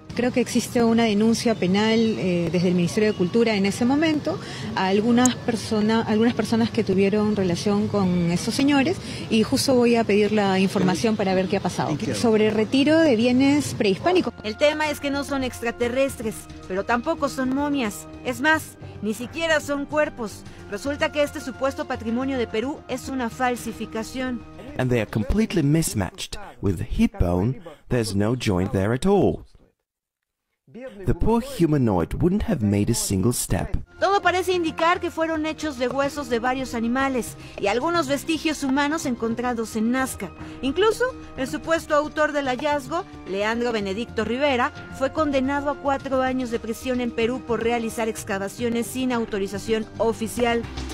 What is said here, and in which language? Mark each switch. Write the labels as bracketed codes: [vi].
[es] Creo que existe una denuncia penal desde el Ministerio de Cultura en ese momento a algunas personas que tuvieron relación con esos señores y justo voy a pedir la información para ver qué ha pasado. Sobre retiro de bienes prehispánicos. El tema es que no son extraterrestres, pero tampoco son momias. Es más, ni siquiera son cuerpos. Resulta que este supuesto patrimonio de Perú es una falsificación. [en] And they are completely mismatched. With the hip bone, there's no joint there at all. The poor humanoid wouldn't have made a single step. [es] Todo parece indicar que fueron hechos de huesos de varios animales y algunos vestigios humanos encontrados en Nazca. Incluso, el supuesto autor del hallazgo, Leandro Benedicto Rivera, fue condenado a 4 años de prisión en Perú por realizar excavaciones sin autorización oficial.